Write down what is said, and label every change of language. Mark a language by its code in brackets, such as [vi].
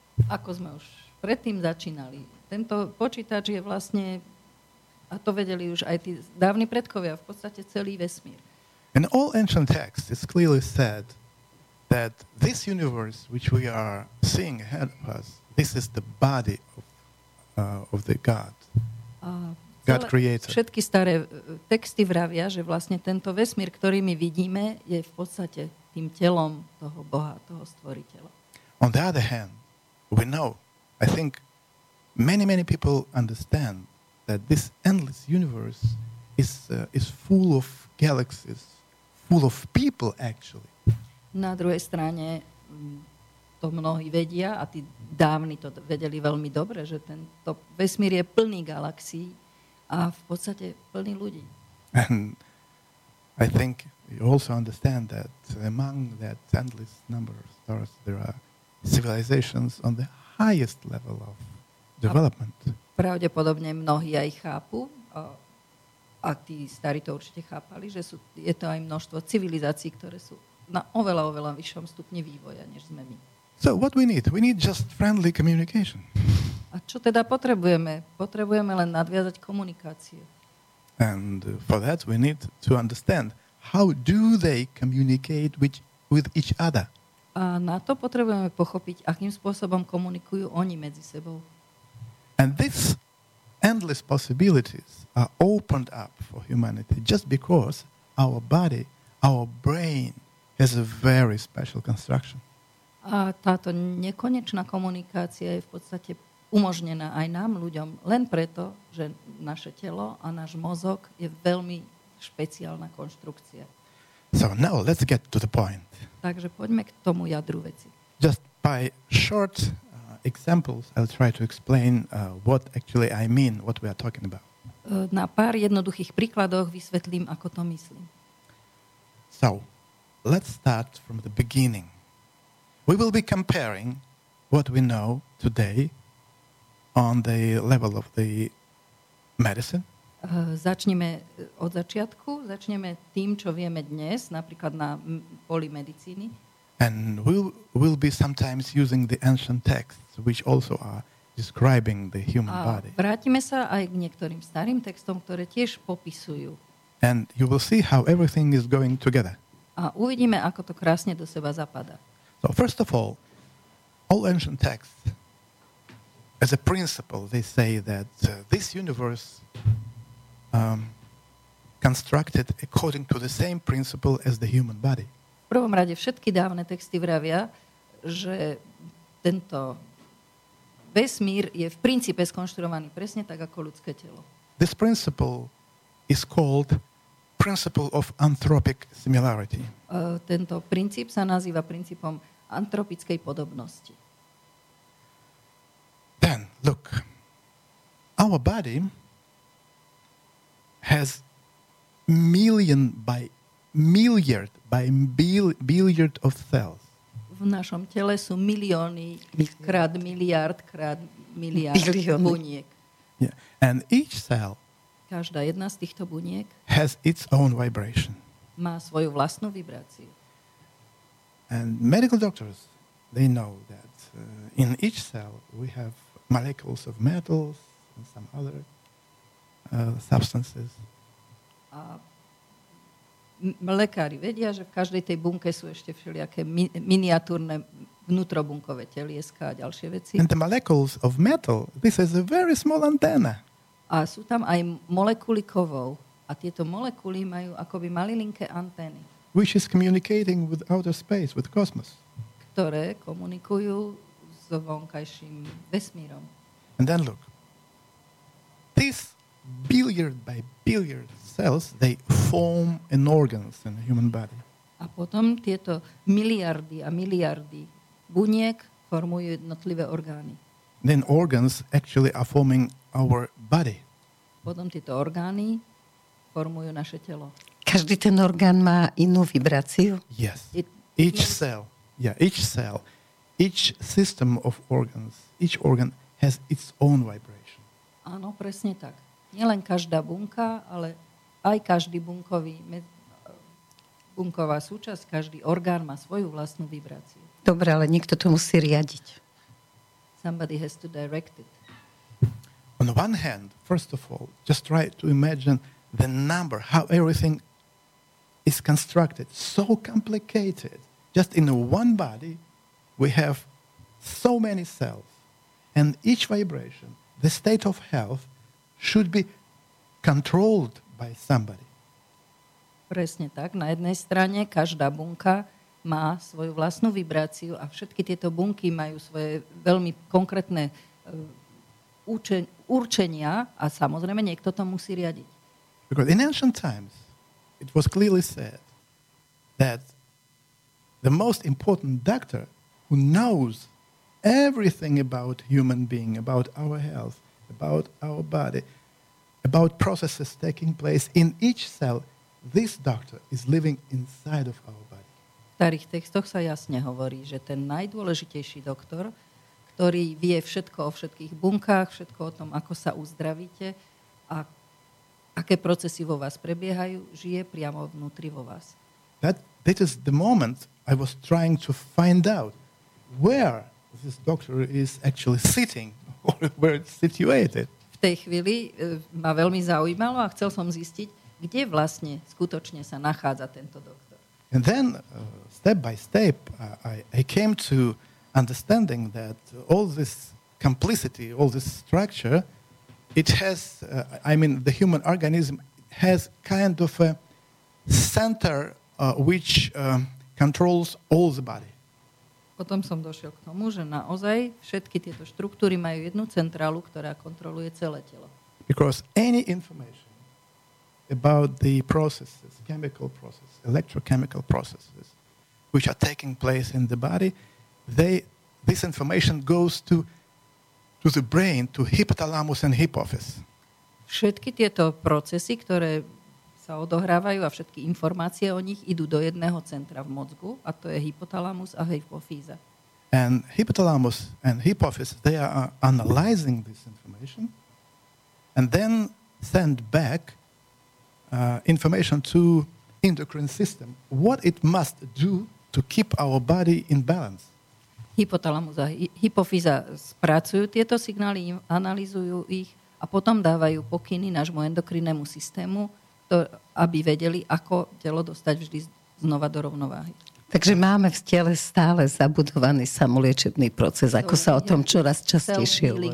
[sk] Ako sme už predtým začínali, tento počítač je vlastne, a to vedeli už aj tí dávni predkovia, v podstate celý vesmír. [en] In all ancient texts, it's clearly said that this universe, which we are seeing ahead of us, this is the body of the God. God creator. [sk] Všetky staré texty vravia, že vlastne tento vesmír, ktorý my vidíme, je v podstate tým telom toho Boha, toho stvoriteľa. [en] On the other hand, we know, I think many, many people understand that this endless universe is full of galaxies, full of people actually. [sk] Na druhej strane to mnohí vedia a tí dávni to vedeli veľmi dobre, že tento vesmír je plný galaxií a v podstate plný ľudí. [en] And I think you also understand that among that endless number of stars there are civilizations on the highest level of development. [sk] Pravdepodobne mnohí aj chápu, a tí starí to určite chápali, že sú, je to aj množstvo civilizácií, ktoré sú na oveľa, oveľa vyššom stupni vývoja, než sme my. [en] So what we need? We need just friendly communication. [sk] A čo teda potrebujeme? Potrebujeme len nadviazať komunikáciu. [en] And for that we need to understand how do they communicate with each other. [sk] A na to potrebujeme pochopiť, akým spôsobom komunikujú oni medzi sebou. [en] And these endless possibilities are opened up for humanity just because our body, our brain has a very special construction. [sk] A táto nekonečná komunikácia je v podstate umožnená aj nám, ľuďom, len preto, že naše telo a náš mozog je veľmi špeciálna konštrukcia. [en] So now let's get to the point. [sk] Takže poďme k tomu jadru veci. [en] Just by short examples, I'll try to explain what actually I mean, what we are talking about. [sk] Na pár jednoduchých príkladoch vysvetlím, ako to myslím. [en] So, let's start from the beginning. We will be comparing what we know today on the level of the medicine. [sk] Začneme od začiatku, začneme tým, čo vieme dnes, napríklad na poli medicíny. [en] And we'll be sometimes using the ancient texts, which also are describing the human body. [sk] A vrátime sa aj k niektorým starým textom, ktoré tiež popisujú. [en] And you will see how everything is going together. [sk] A uvidíme, ako to krásne do seba zapadá. [en] So first of all ancient texts, as a principle, they say that this universe constructed according to the same principle as the human body. [sk] V prvom rade všetky dávne texty vravia, že tento vesmír je v princípe skonštruovaný presne tak ako ľudské telo. [en] This principle is called principle of anthropic similarity. [sk] Tento princíp sa nazýva princípom antropickej podobnosti. [en] Then, look. Our body has million by milliard by billiard of cells. [sk] V našom tele sú milióny krát miliard buniek. [en] Yeah. And each cell, [sk] každá jedna z týchto buniek, [en] has its own vibration. [sk] Má svoju vlastnú vibráciu. [en] And medical doctors, they know that in each cell we have molecules of metals and some other substances. [sk] A lekári vedia, že v každej tej bunke sú ešte všelijaké miniatúrne vnútrobunkové telieska a ďalšie veci. [en] And the molecules of metal, this is a very small antenna. [sk] A sú tam aj molekuly kovov. A tieto molekuly majú akoby malilinké antény. [en] Which is communicating with outer space, with cosmos. [sk] Ktoré komunikujú s vonkajším vesmírom. [en] And then look. This billiard by billiard cells, they form an organs in the human body. [sk] A potom tieto miliardy a miliardy buniek formujú jednotlivé orgány. [en] Then organs actually are forming our body. [sk] Potom tieto orgány formujú naše telo. Každý ten orgán má inú vibráciu. [en] Yes. Each cell. Yeah, each cell. Each system of organs. Each organ has its own vibration. [sk] Áno, presne tak. Nielen každá bunka, ale aj každý bunkový bunková súčasť, každý orgán má svoju vlastnú vibráciu. Dobre, ale niekto to musí riadiť. [en] Somebody has to direct it. On one hand, first of all, just try to imagine the number, how everything is constructed. So complicated. Just in one body, we have so many cells. And each vibration, the state of health, should be controlled by somebody. [sk] Presne tak. Na jednej strane každá bunka má svoju vlastnú vibráciu a všetky tieto bunky majú svoje veľmi konkrétne určenia a samozrejme niekto to musí riadiť. [en] Because in ancient times it was clearly said that the most important doctor who knows everything about human being, about our health, about our body, about processes taking place in each cell, this doctor is living inside of our body. [sk] V starých textoch sa jasne hovorí, že ten najdôležitejší doktor, ktorý vie všetko o všetkých bunkách, všetko o tom, ako sa uzdravíte a aké procesy vo vás prebiehajú, žije priamo vnútri vo vás. [en] That is the moment I was trying to find out where this doctor is actually sitting or where it's situated. [sk] V tej chvíli ma veľmi zaujímalo a chcel som zistiť, kde vlastne skutočne sa nachádza tento doktor. [en] And then step by step I came to understanding that all this complicity, all this structure, it has the human organism has kind of a center which controls all the body. [sk] Potom som došiel k tomu, že naozaj všetky tieto štruktúry majú jednu centrálu, ktorá kontroluje celé telo. [en] Because any information about the processes, chemical processes, electrochemical processes which are taking place in the body, this information goes to the brain, to hypothalamus and hypophysis. [sk] Všetky tieto procesy, ktoré sa odohrávajú a všetky informácie o nich idú do jedného centra v mozgu a to je hypothalamus a hypofýza. [en] And hypothalamus and hypophysis, they are analyzing this information and then send back information to endocrine system. What it must do to keep our body in balance. [sk] Hypothalamus a hypofýza spracujú tieto signály, analyzujú ich a potom dávajú pokyny nášmu endokrinnému systému, aby vedeli, ako telo dostať vždy znova do rovnováhy. Takže máme v tele stále zabudovaný samoliečebný proces, so ako sa o tom čoraz častejšie hovorí.